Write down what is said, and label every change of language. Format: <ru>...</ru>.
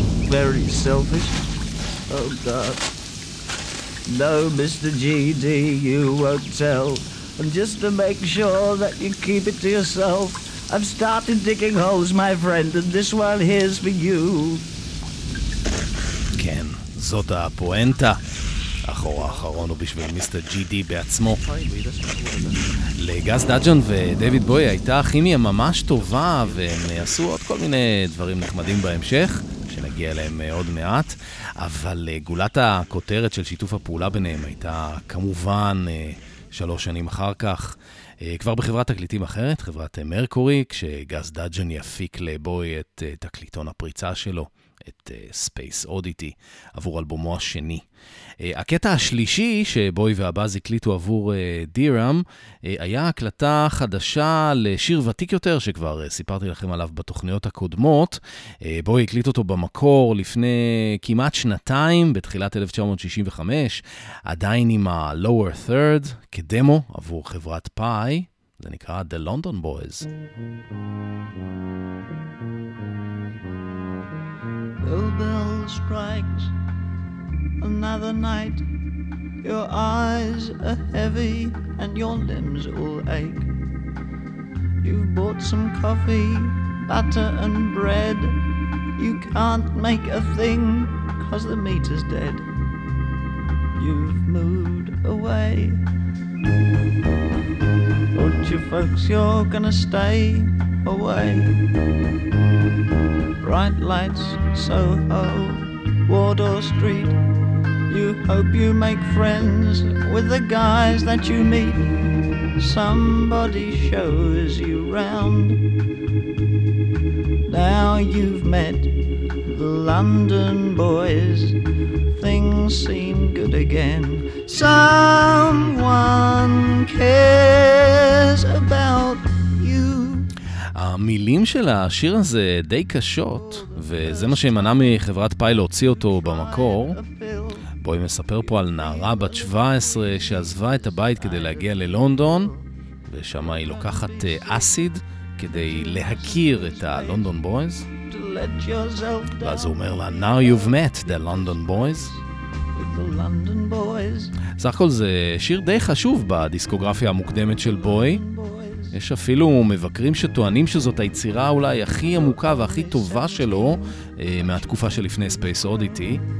<en>Very selfish. Oh, God. No, Mr. GD, you won't tell. And just to make sure that you keep it to yourself, I've started digging holes, my friend, and this one here's for you.</en> <he>כן, זאת הפואנטה. אחור האחרון הוא בשביל מיסטר ג'י די בעצמו. לגאס דאג'ון ודיוויד בוי הייתה כימיה ממש טובה, והם עשו עוד כל מיני דברים נחמדים בהמשך, שנגיע אליהם עוד מעט. אבל גולת הכותרת של שיתוף הפעולה ביניהם הייתה כמובן שלוש שנים אחר כך, כבר בחברת תקליטים אחרת, חברת מרקורי, כשגאס דאג'ון יפיק לבוי את תקליטון הפריצה שלו, את Space Oddity, עבור אלבומו השני. הקטע השלישי שבוי והבאז הקליטו עבור דיראם, היה הקלטה חדשה לשיר ותיק יותר, שכבר סיפרתי לכם עליו בתוכניות הקודמות. בוי הקליט אותו במקור לפני כמעט שנתיים, בתחילת 1965, עדיין עם ה-Lower Third, כדמו עבור חברת פאי, זה נקרא The London Boys.</he> <en>Bell strikes another night. Your eyes are heavy and your limbs all ache. You've bought some coffee, butter and bread. You can't make a thing 'cause the meter's dead. You've moved away. Don't you folks, you're gonna stay away. Bright lights, Soho, Wardour Street. You hope you make friends with the guys that you meet. Somebody shows you round. Now you've met the London boys. Things seem good again. Someone cares about you.</en> <he>המילים של השיר הזה די קשות, וזה מה שמנע מחברת פאי להוציא אותו במקור. בואי מספר פה על נערה בת 17 שעזבה את הבית כדי להגיע ללונדון, ושם היא לוקחת אסיד כדי להכיר את הלונדון בויז. ואז הוא אומר לה,</he> <en>Now you've met the London boys.</en> <he>סך הכל זה שיר די חשוב בדיסקוגרפיה המוקדמת של בוי. יש אפילו מבקרים שטוענים שזאת היצירה אולי הכי עמוקה והכי טובה שלו מהתקופה שלפני Space Oddity.</he>